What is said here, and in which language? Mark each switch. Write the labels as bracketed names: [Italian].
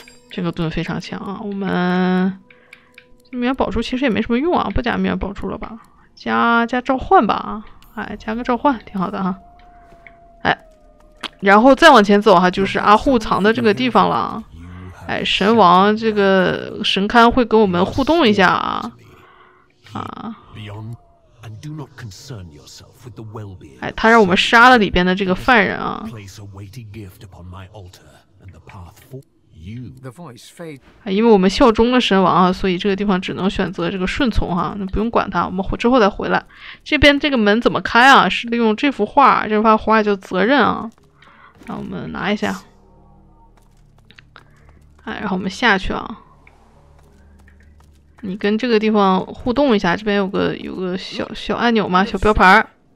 [Chinese] 这个盾非常强啊，我们命元宝珠其实也没什么用啊，不加命元宝珠了吧？加召唤吧，哎，加个召唤挺好的哈。哎，然后再往前走哈、啊，就是阿护藏的这个地方了。哎，神王这个神龛会跟我们互动一下啊。啊。 [English] Do not concern yourself with the well-being. [Chinese] 哎，他让我们杀了里边的这个犯人啊。 [English] Place a weighty gift upon my altar and the path for you. The voice fades. [Chinese] 哎，因为我们效忠了神王啊，所以这个地方只能选择这个顺从哈、啊，那不用管他，我们之后再回来。这边这个门怎么开啊？是利用这幅画，这幅画叫责任啊。那我们拿一下。哎，然后我们下去啊。你跟这个地方互动一下，这边有个小按钮嘛，小标牌儿。